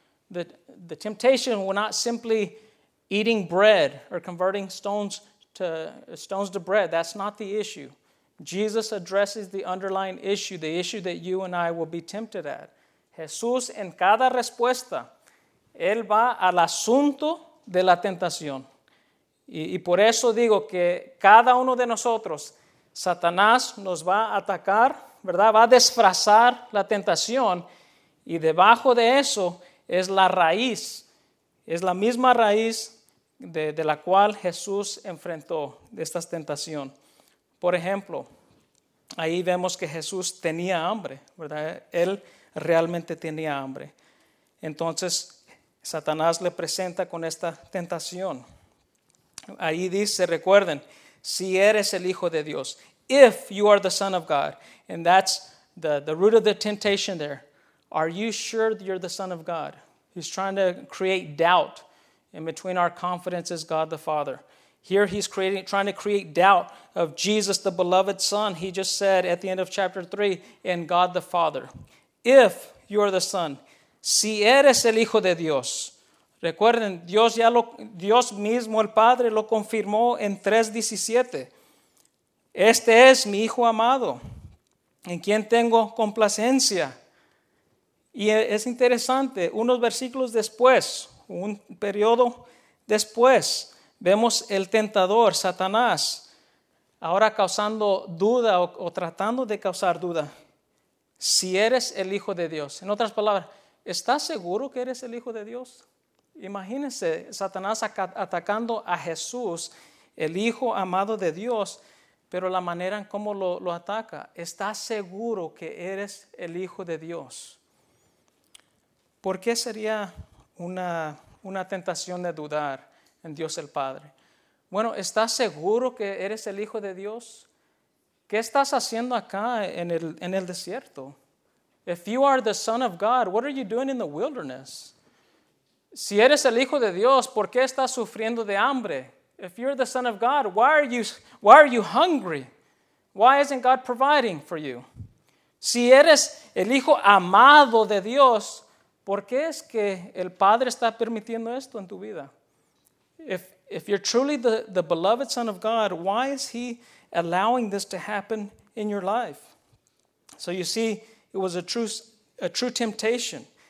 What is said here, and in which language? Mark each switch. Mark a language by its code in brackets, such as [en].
[en] The temptation was not simply eating bread or converting stones to bread. That's not the issue. Jesus addresses the underlying issue, the issue that you and I will be tempted at. [es] Jesús, en cada respuesta, Él va al asunto de la tentación. Y por eso digo que cada uno de nosotros, Satanás nos va a atacar, ¿verdad? Va a disfrazar la tentación. Y debajo de eso es la raíz. Es la misma raíz de la cual Jesús enfrentó esta tentación. Por ejemplo, ahí vemos que Jesús tenía hambre, ¿verdad? Él realmente tenía hambre. Entonces Satanás le presenta con esta tentación. Ahí dice, recuerden, si eres el Hijo de Dios, [en] if you are the Son of God, and that's the root of the temptation there, are you sure that you're the Son of God? He's trying to create doubt in between our confidence as God the Father. Here he's creating, trying to create doubt of Jesus, the beloved Son. He just said at the end of chapter 3, in God the Father. If you are the Son, [es] si eres el Hijo de Dios. Recuerden, Dios mismo, el Padre, lo confirmó en 3:17. Este es mi Hijo amado, en quien tengo complacencia. Y es interesante, unos versículos después, un periodo después, vemos el tentador, Satanás, ahora causando duda o tratando de causar duda. Si eres el Hijo de Dios. En otras palabras, ¿estás seguro que eres el Hijo de Dios? Imagínense, Satanás atacando a Jesús, el Hijo amado de Dios, pero la manera en cómo lo ataca. ¿Estás seguro que eres el Hijo de Dios? ¿Por qué sería una tentación de dudar en Dios el Padre? Bueno, ¿estás seguro que eres el Hijo de Dios? ¿Qué estás haciendo acá en el desierto? [en] If you are the Son of God, what are you doing in the wilderness? [es] Si eres el Hijo de Dios, ¿por qué estás sufriendo de hambre? [en] If you're the Son of God, why are you hungry? Why isn't God providing for you? [es] Si eres el Hijo amado de Dios, ¿por qué es que el Padre está permitiendo esto en tu vida? [en] If you're truly the beloved Son of God, why is he allowing this to happen in your life? So you see, it was a true temptation.